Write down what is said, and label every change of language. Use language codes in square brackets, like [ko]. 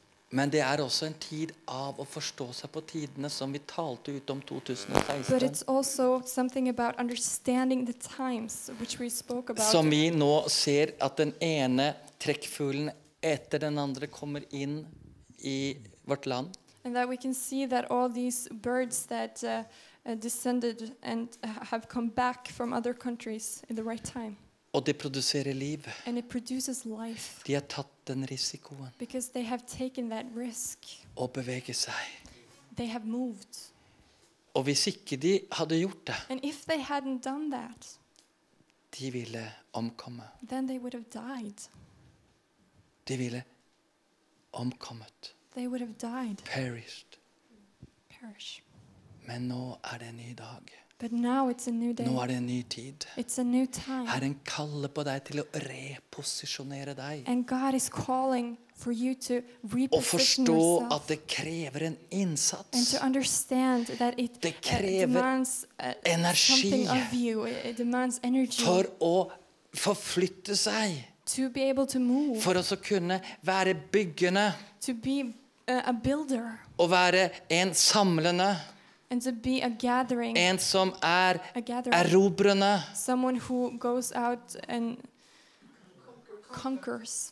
[no] Men det er også en tid av å forstå seg på tidene som vi talte ut om 2016. [en] But it's also something about understanding the times which we spoke about. [no] Som vi nå ser at den ene trekkfuglen etter den andre kommer inn i vårt land. [en] And that we can see that all these birds that descended and have come back from other countries in the right time. [no] Og det produserer liv. [en] And it produces life. [no] De har tatt den risikoen. [en] Because they have taken that risk. [no] Og beveger seg. [en] They have moved. [no] Og hvis ikke de hadde gjort det. [en] And if they hadn't done that. [no] De ville omkomme. [en] Then they would have died. [no] De ville omkommet. [en] They would have died. Perished. Perish. [no] Men nå er det en ny dag. [en] But now it's a new day. [no] Nå er det en ny tid. [en] It's a new time. [no] Herren kaller på deg til å reposisjonere deg. [en] And God is calling for you to reposition yourself. [no] Og forstå at det krever en innsats. [en] And to understand that it demands something of you. It demands energy. [no] For å forflytte seg. [en] To be able to move. [no] For å kunne være byggende. [en] To be a builder. [no] Å være en samlende. [en] And to be a gathering. [no] En som er erobrende. [en] Someone who goes out and conquers.